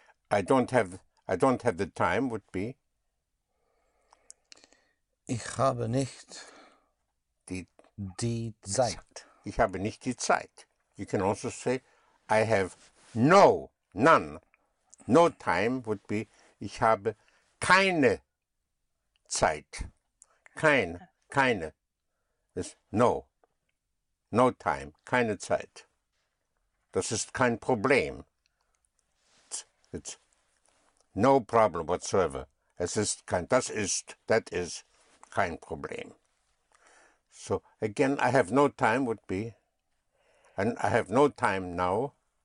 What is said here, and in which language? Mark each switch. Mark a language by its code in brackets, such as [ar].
[en] I don't have the time. Would be. [de] Ich habe nicht die Zeit. Ich habe nicht die Zeit. [en] You can also say, I have no none, no time. Would be [de] ich habe keine Zeit. [en] Keine is no. No time. [de] Keine Zeit. Das ist kein Problem. [en] It's no problem whatsoever. [de] Es ist kein, [en] that is [de] kein Problem. [en] So again, I have no time would be, and I have no time now.